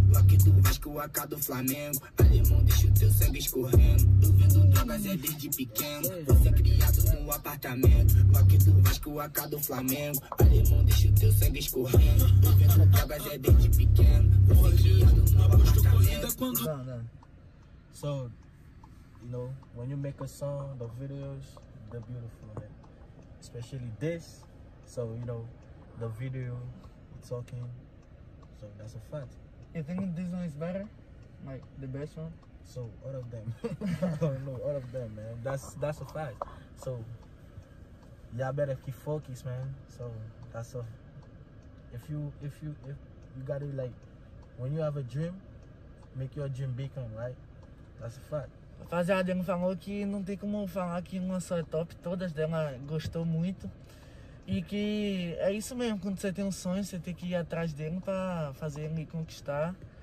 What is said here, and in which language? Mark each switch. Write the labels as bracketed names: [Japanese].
[Portuguese] Lock do Vasco, AK do Flamengo. Alemão, deixa o teu sangue escorrendo. Eu vendo drogas é desde pequeno. Você criado no apartamento. Lock do Vasco, AK do Flamengo. Alemão, deixa o teu sangue escorrendo. Eu vendo drogas é desde pequeno. Você criado no apartamento. Quando... [English] So, you know, when you make a song, the videos, they're beautiful, man. Especially this. So, you know, the video, it's talking. So, that's a fact. You think this one is better? Like, the best one? So, all of them. No, all of them, man. That's a fact. So, y'all better keep focused, man. So, that's a... If you got it, like, when you have a dream, make your dream become, right? That's a fact. [Portuguese] Rapaziada, ele falou que não tem como falar que uma só é top, todas dela gostou muito. E que é isso mesmo, quando você tem um sonho, você tem que ir atrás dele pra fazer ele conquistar.